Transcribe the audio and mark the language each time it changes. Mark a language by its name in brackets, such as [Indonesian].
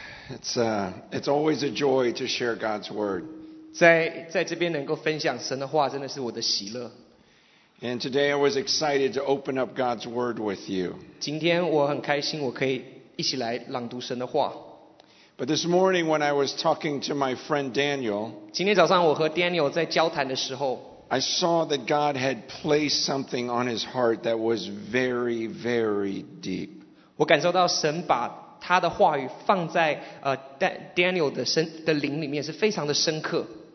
[English] It's always a joy to share God's word. [Chinese] 在这边能够分享神的话，真的是我的喜乐。 [English] And today I was excited to open up God's word with you. [Chinese] 今天我很开心，我可以一起来朗读神的话。 [English] But this morning when I was talking to my friend Daniel, [Chinese] 今天早上我和Daniel在交谈的时候， [English] I saw that God had placed something on his heart that was very, very deep. [Chinese] 我感受到神把 他的话语放在Daniel的灵里面是非常的深刻。